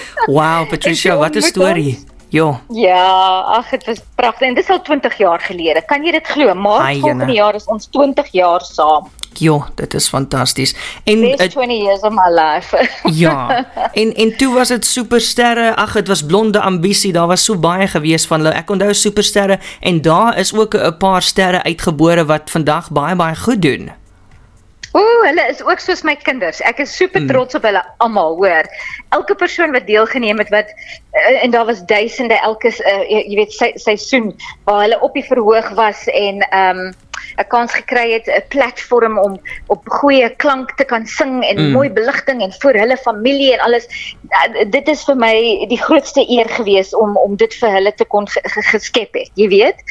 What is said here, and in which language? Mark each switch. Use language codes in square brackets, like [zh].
[en] Wow, Patricia, what a story. Jo. [af] Ja, [nl] ach, het was prachtig. [af] En dit is al 20 jaar gelede. Kan jy dit glo? Maar volgende jaar is ons 20 jaar saam. Jo, dit is fantastisch. [en] En, best 20 years of my life. [nl] Ja, en toe was het supersterre. Ach, het was blonde ambitie. [af] Daar was so baie gewees van hulle. Ek onthou supersterre. En daar is ook 'n paar sterre uitgebore wat vandag baie, baie goed doen. Oeh, hulle is ook soos my kinders. Ek is super trots op hulle allemaal, hoor. Elke persoon wat deelgeneem het, wat, en daar was duisende elke, jy weet, seisoen, waar hulle op die verhoog was en een kans gekry het, een platform om op goeie klank te kan sing en mooi belichting en voor hulle familie en alles. Dit is vir my die grootste eer gewees om dit vir hulle te kon geskep het, jy weet.